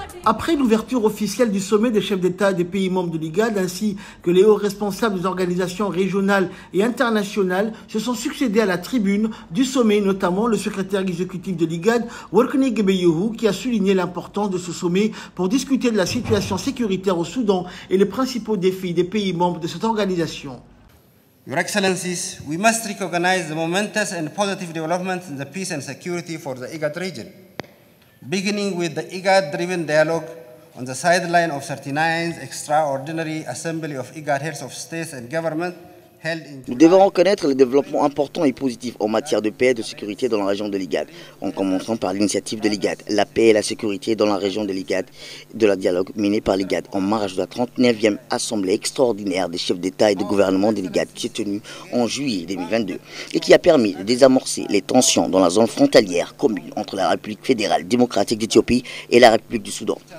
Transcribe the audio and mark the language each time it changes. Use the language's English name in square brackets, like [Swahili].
[French] Après l'ouverture officielle du sommet des chefs d'État des pays membres de l'IGAD, ainsi que les hauts responsables des organisations régionales et internationales, se sont succédés à la tribune du sommet, notamment le secrétaire exécutif de l'IGAD, Workney Gebeyehu, qui a souligné l'importance de ce sommet pour discuter de la situation sécuritaire au Soudan et les principaux défis des pays membres de cette organisation. [English] Your Excellencies, we must recognize the momentous and positive developments in the peace and security for the IGAD region, beginning with the IGAD-driven dialogue on the sideline of 39th Extraordinary Assembly of IGAD Heads of State and Government held in July. [French] Nous devons reconnaître les développements importants et positifs en matière de paix et de sécurité dans la région de l'IGAD, en commençant par l'initiative de l'IGAD, la paix et la sécurité dans la région de l'IGAD, de la dialogue menée par l'IGAD en marge de la 39e Assemblée extraordinaire des chefs d'État et de gouvernement de l'IGAD qui s'est tenue en juillet 2022 et qui a permis de désamorcer les tensions dans la zone frontalière commune entre la République fédérale démocratique d'Éthiopie et la République du Soudan.